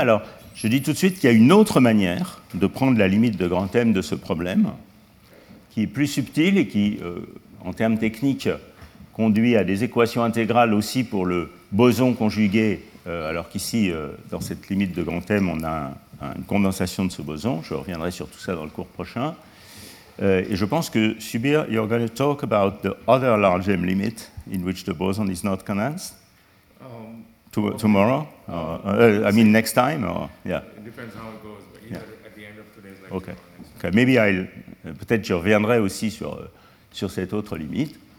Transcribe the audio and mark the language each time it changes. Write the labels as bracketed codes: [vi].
[fr] Alors je dis tout de suite qu'il y a une autre manière de prendre la limite de grand M de ce problème, qui est plus subtile et qui, en termes techniques, conduit à des équations intégrales aussi pour le boson conjugué, alors qu'ici, dans cette limite de grand M, on a une condensation de ce boson. Je reviendrai sur tout ça dans le cours prochain. Et je pense que, [en] Subir, you're going to talk about the other large M limit in which the boson is not condensed tomorrow. Next time. Or, yeah. It depends how it goes, but either at the end of today's lecture. Okay. Okay. [fr] Maybe peut-être je reviendrai aussi sur cette autre limite.